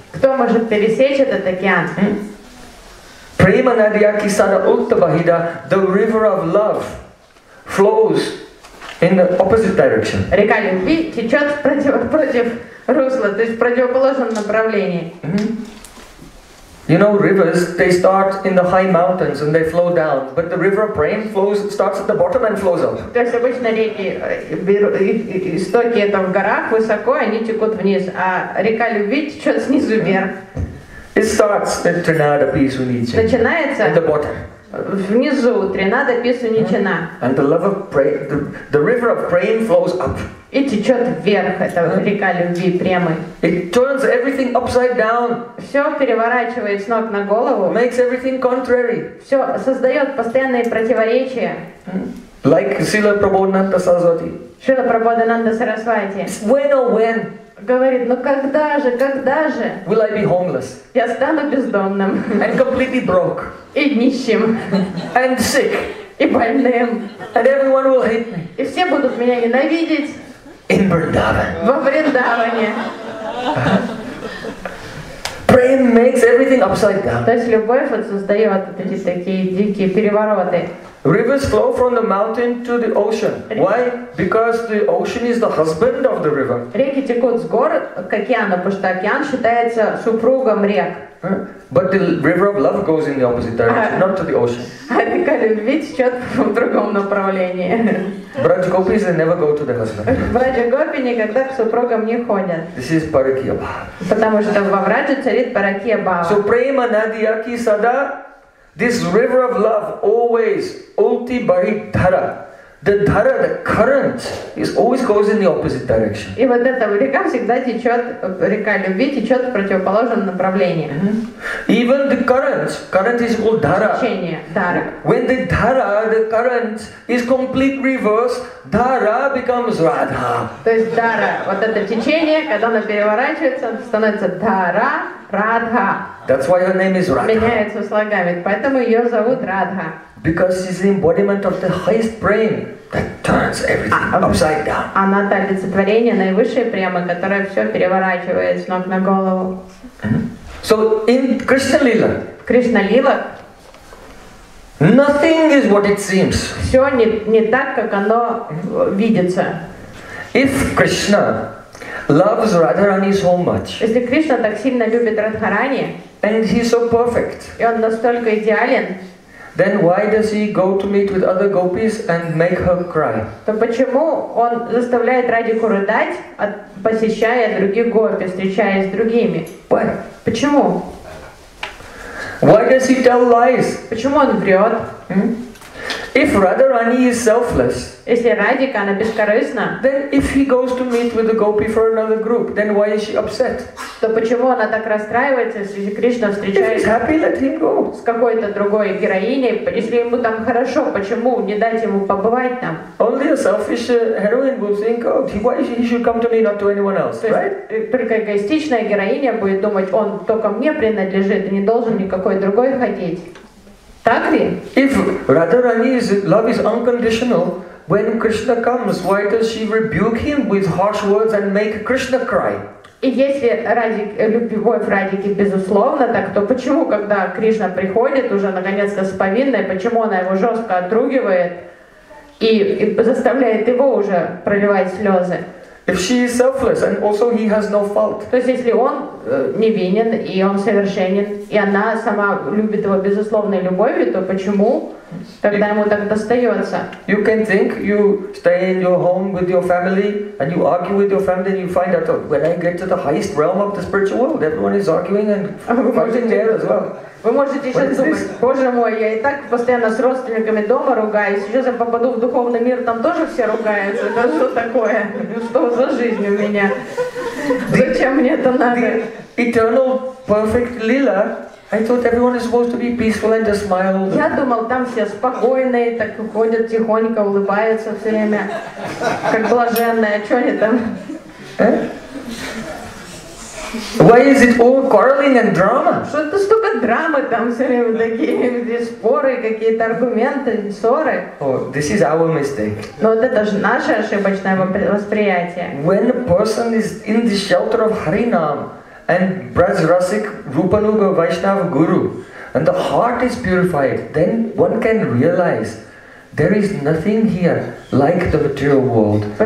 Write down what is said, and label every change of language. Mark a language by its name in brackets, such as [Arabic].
[Russian] Кто может пересечь этот океан? [Bangla] Prema nadiya kisada ulta vahida, [English] the river of love flows in the opposite direction. [Russian] Река любви течет против русла, то есть в противоположном направлении. [English] You know, rivers, they start in the high mountains and they flow down. But the river of Prem flows, starts at the bottom and flows up. [Russian] То есть обычно реки, истоки это в горах, высоко, они текут вниз. А река любви течет снизу вверх. [English] It starts at Trinada, Pisunice. [Russian] Начинается [English] at the bottom. [Russian] Внизу, тринада песуничина. [English] And the love of pray, the river of praying flows up. [Russian] И течет вверх, это река любви, премы. [English] It turns everything upside down. [Russian] Все переворачивает с ног на голову. [English] Makes everything contrary. [Russian] Все создает постоянные противоречия. [English] Like Srila Prabhupada Sarasvati. Srila Prabhupada Sarasvati. When or when? [Russian] Говорит, ну когда же, когда же? [English] Will I be homeless? [Russian] Я стану бездомным. [English] And completely broke. [Russian] И нищим. [English] And sick. [Russian] И больным. [English] And everyone will hate me. [Russian] И все будут меня ненавидеть. [English] In Vrindavan. [Russian] Во Вриндаване. [English] Prem makes everything upside down. [Russian] То есть любовь создает эти такие дикие перевороты. [English] Rivers flow from the mountain to the ocean. Why? Because the ocean is the husband of the river. [Russian] Реки текут с гор к океану, потому что океан считается супругом рек. [English] But the river of love goes in the opposite direction, not to the ocean. [Russian] А река любви течет в другом направлении. [English] Браджа-гопис, they never go to the husband. [Russian] Браджа-гопи никогда к супругам не ходят. [English] This is Паракия-бхава. [Russian] Потому что во Враджа царит Паракия-бхава. [English] So [Bangla] prema nadiyaki sada. [English] This river of love always [Bangla] ulti bari dhara. [English] The dhara, the current, is always goes in the opposite direction. [Russian] И вот эта река всегда течет, река любви течет в противоположном направлении. [English] Even the current is called dhara. [Russian] Течение, дхара. [English] When the dhara, the current, is complete reverse, dhara becomes radha. [Russian] То есть дхара, вот это течение, когда оно переворачивается, становится дхара. [English] Radha. That's why her name is Radha. [Russian] Меняется слогами, поэтому ее зовут Радха. [English] Because she's the embodiment of the highest brain that turns everything upside down. [Russian] Она та олицетворение наивысшей премы, которая все переворачивает с ног на голову. [English] So in Krishna Lila. Krishna Lila. Nothing is what it seems. [Russian] Все не так, как оно видится. [English] If Krishna loves Radharani so much. [Russian] Если Кришна так сильно любит Радхарани, [English] and he's so perfect, [Russian] и он настолько идеален, [English] then why does he go to meet with other gopis and make her cry? [Russian] То почему он заставляет Радику рыдать, посещая других гопи, встречаясь с другими? [English] Why? [Russian] Почему? [English] Why does he tell lies? [Russian] Почему он врет? [English] If Radharani is selfless, [Russian] если Радика, она бескорыстна, [English] then if he goes to meet with the gopi for another group, then why is she upset? [Russian] То почему она так расстраивается, если Кришна встречается? [English] If he's happy, let him go. [Russian] С какой-то другой героиней, если ему там хорошо, почему не дать ему побывать там? [English] Only a selfish heroine would think, oh, why he should come to me, not to anyone else, right? [Russian] Только эгоистичная героиня будет думать, он только мне принадлежит, и не должен никакой другой ходить. Так ли? [English] If Radharani's love is unconditional, when Krishna comes, why does she rebuke him with harsh words and make Krishna cry? [Russian] И если любовь Радики безусловно, так то почему, когда Кришна приходит уже наконец-то с повинной, почему она его жестко отругивает и заставляет его уже проливать слезы? [English] If she is selfless and also he has no fault. [Russian] То есть если он невинен и он совершенен и она сама любит его безусловной любовью, то почему тогда ему так достается? [English] You can think you stay in your home with your family and you argue with your family and you find out that when I get to the highest realm of the spiritual world, everyone is arguing and fighting there as well. [Russian] Вы можете сейчас думать, боже мой, я и так постоянно с родственниками дома ругаюсь, сейчас я попаду в духовный мир, там тоже все ругаются, это что такое? Что за жизнь у меня? Зачем мне это надо? [English] Eternal perfect Lila, I thought everyone is supposed to be peaceful and just smile. [Russian] Я думал, там все спокойные, так ходят тихонько, улыбаются все время, как блаженные, что они там? [English] Why is it all quarreling and drama? [Russian] Что это столько драмы там все время такие, где споры, какие-то аргументы, ссоры? [English] Oh, this is our mistake. [Russian] Но вот это же наше ошибочное восприятие. [English] When a person is in the shelter of Harinam and Brajrasik Rupanuga Vaishnava Guru and the heart is purified, then one can realize there is nothing here like the material world.